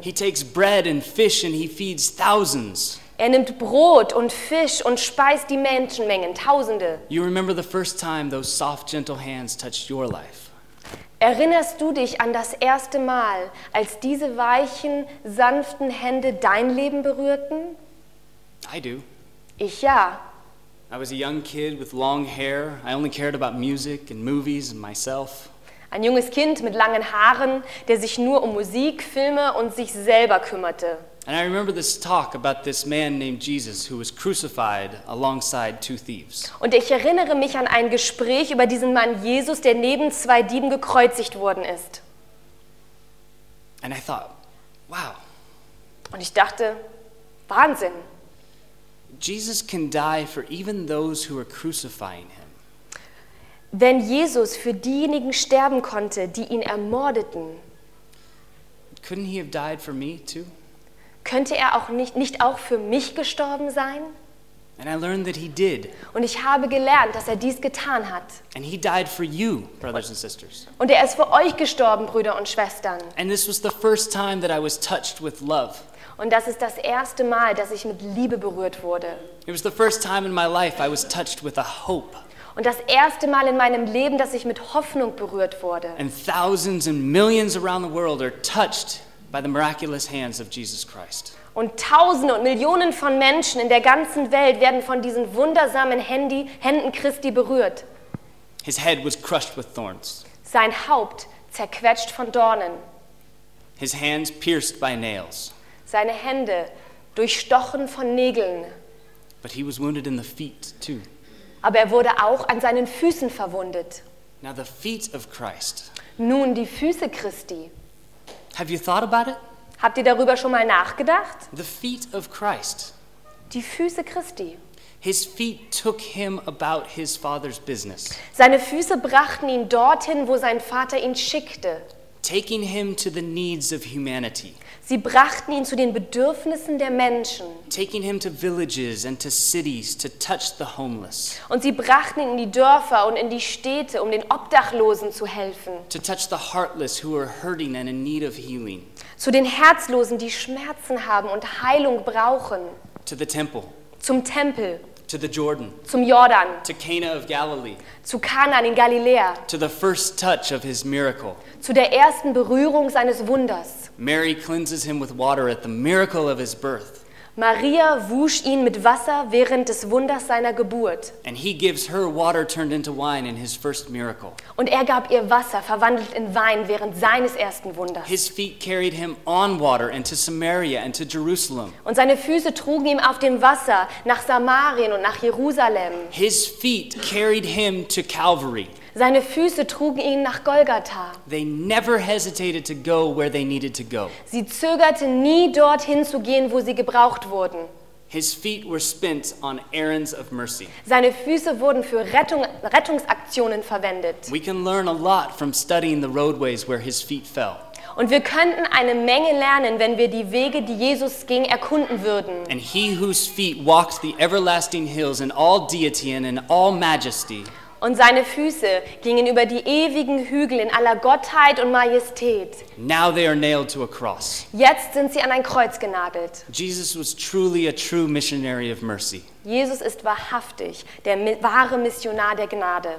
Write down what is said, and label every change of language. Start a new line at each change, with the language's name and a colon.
English: He takes bread and fish and he feeds thousands.
German: Er nimmt Brot und Fisch und speist die Menschenmengen, Tausende.
English: You remember the first time those soft, gentle hands touched your life.
German: Erinnerst du dich an das erste Mal, als diese weichen, sanften Hände dein Leben berührten?
English: I do.
German: Ich ja.
English: I was a young kid with long hair. I only cared about music and movies and myself.
German: Ein junges Kind mit langen Haaren, der sich nur um Musik, Filme und sich selber kümmerte.
English: And I remember this talk about this man named Jesus who was crucified alongside two thieves.
German: Und ich erinnere mich an ein Gespräch über diesen Mann Jesus, der neben zwei Dieben gekreuzigt worden ist.
English: And I thought, wow.
German: Und ich dachte, Wahnsinn.
English: Jesus can die for even those who are crucifying him.
German: Wenn Jesus für diejenigen sterben konnte, die ihn ermordeten.
English: Couldn't he have died for me too?
German: Könnte er auch nicht auch für mich gestorben sein?
English: And I learned that he did.
German: Und ich habe gelernt, dass er dies getan hat.
English: And he died for you, brothers and sisters.
German: Und er ist für euch gestorben, Brüder und Schwestern.
English: And this was the first time that I was touched with love.
German: Und das ist das erste Mal, dass ich mit Liebe berührt wurde.
English: It was the first time in my life I was touched with a hope.
German: Und das erste Mal in meinem Leben, dass ich mit Hoffnung berührt wurde.
English: And thousands and millions around the world are touched by the miraculous hands of Jesus Christ.
German: Und Tausende und Millionen von Menschen in der ganzen Welt werden von diesen wundersamen Händen Christi berührt.
English: His head was crushed with thorns.
German: Sein Haupt zerquetscht von Dornen.
English: His hands pierced by nails.
German: Seine Hände durchstochen von Nägeln.
English: But he was wounded in the feet too.
German: Aber er wurde auch an seinen Füßen verwundet.
English: Now the feet of Christ.
German: Nun die Füße Christi.
English: Have you thought about it?
German: Habt ihr darüber schon mal nachgedacht?
English: The feet of Christ.
German: Die Füße Christi.
English: His feet took him about his father's business.
German: Seine Füße brachten ihn dorthin, wo sein Vater ihn schickte.
English: Taking him to the needs of humanity.
German: Sie brachten ihn zu den Bedürfnissen der Menschen.
English: Taking him to villages and to cities to touch the homeless.
German: Und sie brachten ihn in die Dörfer und in die Städte, um den Obdachlosen zu helfen.
English: To touch the heartless who are hurting and in need of healing.
German: Zu den Herzlosen, die Schmerzen haben und Heilung brauchen.
English: To the temple.
German: Zum Tempel.
English: To the Jordan.
German: Zum Jordan.
English: To Cana of Galilee.
German: Zu Kana in Galiläa.
English: To the first touch of his miracle.
German: Zu der ersten Berührung seines Wunders.
English: Mary cleanses him with water at the miracle of his birth.
German: Maria wusch ihn mit Wasser während des Wunders seiner Geburt.
English: And he gives her water turned into wine in his first miracle.
German: Und er gab ihr Wasser verwandelt in Wein während seines ersten Wunders.
English: His feet carried him on water into Samaria and to Jerusalem.
German: Und seine Füße trugen ihn auf dem Wasser nach Samarien und nach Jerusalem.
English: His feet carried him to Calvary.
German: Seine Füße trugen ihn nach Golgatha.
English: They never hesitated to go where they needed to go.
German: Sie zögerten nie dorthin zu gehen, wo sie gebraucht wurden.
English: His feet were spent on errands of mercy.
German: Seine Füße wurden für Rettungsaktionen verwendet.
English: We can learn a lot from studying the roadways where his feet fell.
German: Und wir könnten eine Menge lernen, wenn wir die Wege, die Jesus ging, erkunden würden.
English: And he whose feet walked the everlasting hills in all deity and in all majesty.
German: Und seine Füße gingen über die ewigen Hügel in aller Gottheit und Majestät.
English: Now they are nailed to a cross.
German: Jetzt sind sie an ein Kreuz genagelt.
English: Jesus was truly a true missionary of mercy.
German: Jesus ist wahrhaftig der wahre Missionar der Gnade.